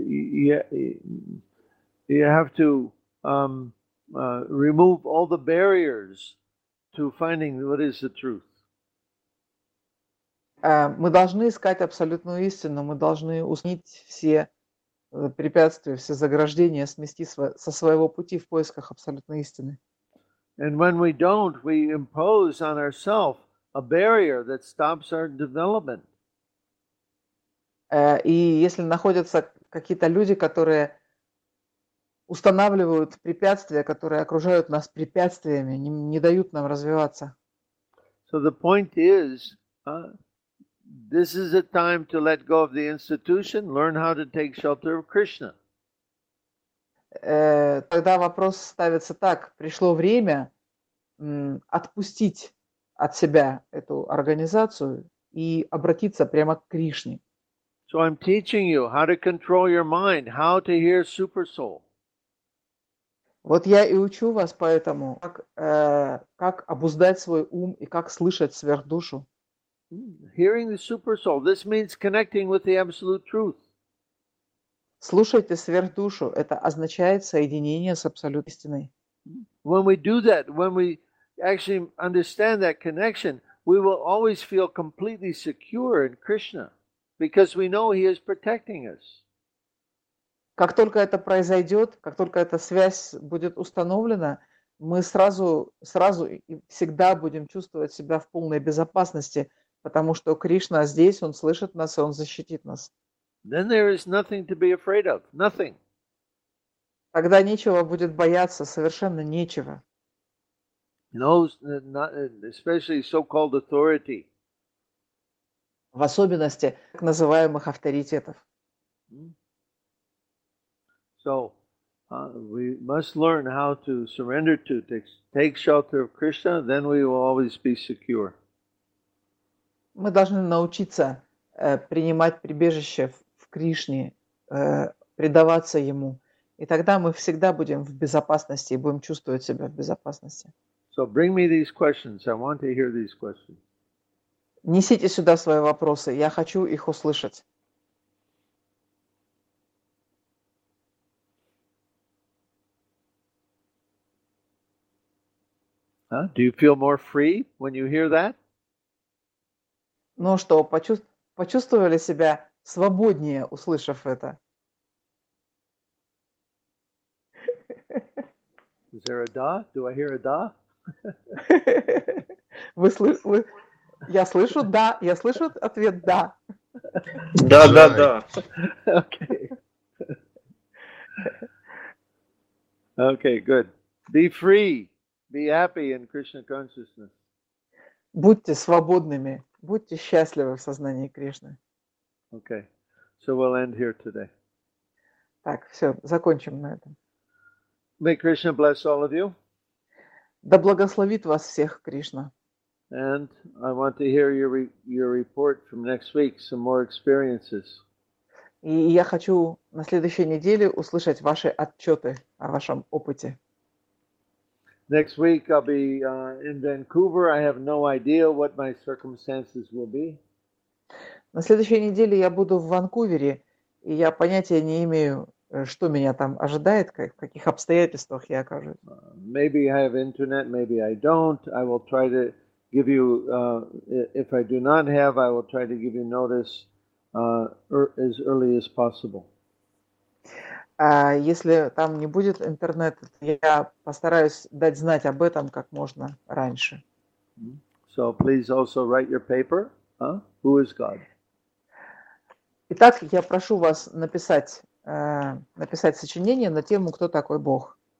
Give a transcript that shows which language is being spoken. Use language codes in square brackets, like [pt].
[en] You have to remove all the barriers to finding what is the truth. [ru] Мы должны искать абсолютную истину, мы должны устранить все препятствия, все заграждения, смести со своего пути в поисках абсолютной истины. [en] And when we don't, we impose on ourselves a barrier that stops our development. [ru] И если находятся какие-то люди, которые устанавливают препятствия, которые окружают нас препятствиями, не дают нам развиваться. [en] So the point is, this is a time to let go of the institution, learn how to take shelter of Krishna. [ru] Тогда вопрос ставится так: пришло время отпустить от себя эту организацию и обратиться прямо к Кришне. [en] So I'm teaching you how to control your mind, how to hear super soul. [ru] Вот я и учу вас поэтому, как обуздать свой ум и как слышать сверхдушу. [en] Hearing the super soul, this means connecting with the absolute truth. [ru] Слушайте сверхдушу, это означает соединение с абсолютной истиной. [en] When we do that, when we actually understand that connection, we will always feel completely secure in Krishna, because we know he is protecting us. [ru] Как только это произойдет, как только эта связь будет установлена, мы сразу и всегда будем чувствовать себя в полной безопасности, потому что Кришна здесь, Он слышит нас, и Он защитит нас. [en] Then there is nothing to be afraid of, nothing. [ru] Тогда нечего будет бояться, совершенно нечего. [en] No, not, especially so-called authority. [ru] В особенности так называемых авторитетов. [en] So we must learn how to surrender to, take shelter of Krishna, then we will always be secure. [ru] Мы должны научиться принимать прибежище в Кришне, предаваться ему, и тогда мы всегда будем в безопасности и будем чувствовать себя в безопасности. [en] So bring me these questions. I want to hear these questions. [ru] Несите сюда свои вопросы. Я хочу их услышать. Huh? [en] Do you feel more free when you hear that? [ru] Ну что, почувствовали себя свободнее, услышав это? [en] Is there a da? Do I hear a da? [ru] Я слышу да. Я слышу ответ да. Да, да, да. [en] Okay. Okay, good. Be free. Be happy in Krishna consciousness. [ru] Будьте свободными. Будьте счастливы в сознании Кришны. [en] Okay. So we'll end here today. [ru] Так, все, закончим на этом. [en] May Krishna bless all of you. [ru] Да благословит вас всех Кришна. [en] And I want to hear your report from next week, some more experiences. [ru] И я хочу на следующей неделе услышать ваши отчеты о вашем опыте. [en] Next week I'll be in Vancouver. I have no idea what my circumstances will be. [ru] На следующей неделе я буду в Ванкувере, и я понятия не имею, что меня там ожидает, в каких обстоятельствах я окажусь. [en] Maybe I have internet, maybe I don't. I will try to give you, if I do not have, I will try to give you notice as early as possible. [ru] Если там не будет интернета, я постараюсь дать знать об этом как можно раньше. [en] So please also write your paper. Huh? Who is God? [ru] Итак, я прошу вас написать сочинение на тему «Кто такой Бог?»